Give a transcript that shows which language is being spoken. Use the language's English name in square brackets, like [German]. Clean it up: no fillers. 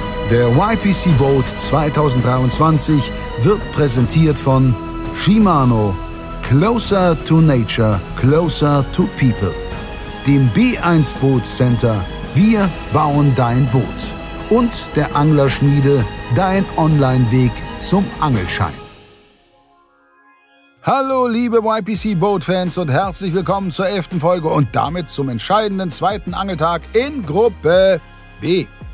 [German] Der YPC Boat 2023 wird präsentiert von Shimano. [English] Closer to nature, closer to people. [German] Dem B1 Boot Center. Wir bauen dein Boot. Und der Anglerschmiede. Dein Online-Weg zum Angelschein. Hallo liebe YPC-Boat-Fans und herzlich willkommen zur 11. Folge und damit zum entscheidenden zweiten Angeltag in Gruppe B.